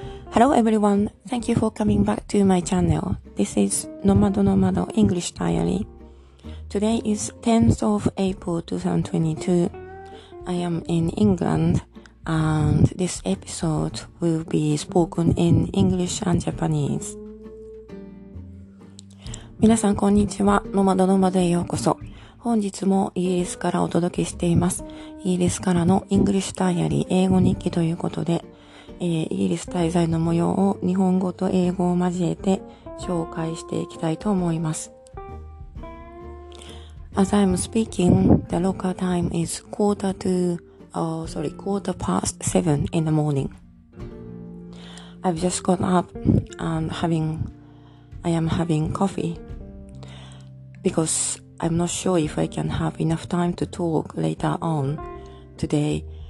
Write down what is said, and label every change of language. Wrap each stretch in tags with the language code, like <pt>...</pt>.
<en>Hello everyone, thank you for coming back to my channel. This is Nomado Nomado English Diary. Today is 10th of April 2022. I am in England and this episode will be spoken in English and Japanese.</en> <ja>皆さんこんにちは、Nomado Nomadoへようこそ。本日もイギリスからお届けしています。イギリスからの English Diary 英語日記ということで、イギリス滞在の模様を日本語と英語を交えて紹介していきたいと思います。</ja> <en>As I'm speaking, the local time is quarter past seven in the morning. I've just got up and I am having coffee because I'm not sure if I can have enough time to talk later on today.</en>